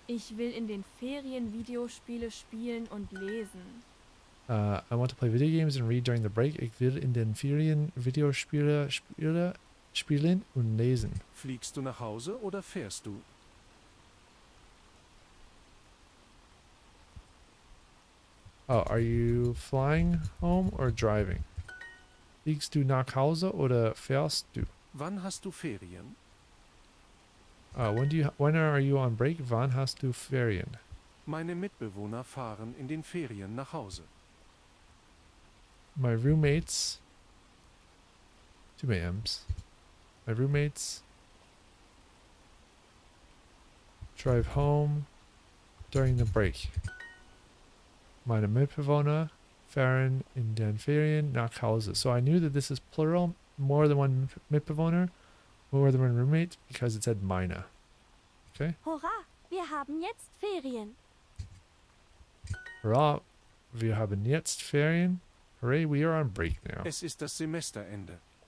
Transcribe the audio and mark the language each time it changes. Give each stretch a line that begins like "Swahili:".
German: Ich will in den Ferien Videospiele spielen und lesen.
English: I want to play video games and read during the break.
German: Ich will in den Ferien Videospiele spielen und lesen. Fliegst du nach Hause oder fährst du?
English: Oh, are you flying home or driving?
German: Fliegst du nach Hause oder fährst du? Wann hast du Ferien?
English: When are you on break?
German: Wann hast du Ferien? Meine Mitbewohner fahren in den Ferien nach Hause.
English: My roommates, two AMs. My roommates drive home during the break.
German: Meine Mitbewohner fahren in den Ferien nach Hause.
English: So I knew that this is plural, more than one Mitbewohner, more than one roommate, because it said meine. Okay.
German: Hurra, wir haben jetzt Ferien. Hurra, wir haben jetzt Ferien.
English: Hooray, we are on break now.
German: Es ist das Semesterende.